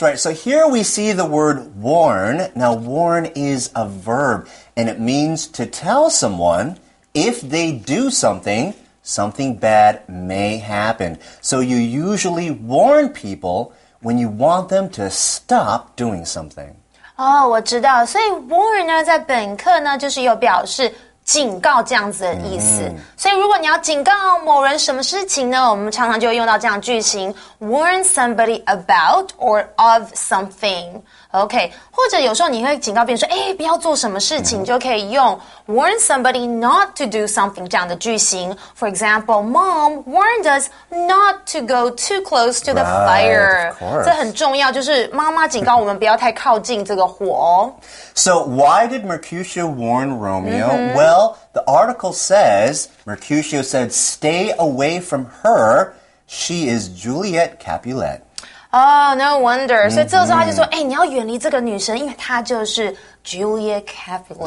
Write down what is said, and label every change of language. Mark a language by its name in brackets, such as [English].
[English] right. So here we see the word warn. Now warn is a verb, and it means to tell someone if they do something. something bad may happen. So you usually warn people when you want them to stop doing something. [Chinese] 哦，我知道，所以 warn 呢，在本课呢，就是有表示警告这样子的意思。所以如果你要警告某人什么事情呢，我们常常就用到这样句型 [English] warn somebody about or of something。 [Chinese] OK， 或者有时候你会警告别人说，哎，不要做什么事情，就可以用 [English] warn somebody not to do something [Chinese] 这样的句型。 [English] For example, Mom warned us not to go too close to the fire. Right, of course. [Chinese] 这很重要，就是妈妈警告我们不要太靠近这个火。 [English] So why did Mercutio warn Romeo?、Mm-hmm. Well, the article says, Mercutio said, stay away from her. She is Juliet Capulet. Oh, no wonder. So, [Chinese] 这时候他就说，哎，你要远离这个女生，因为她就是 Julia Capulet.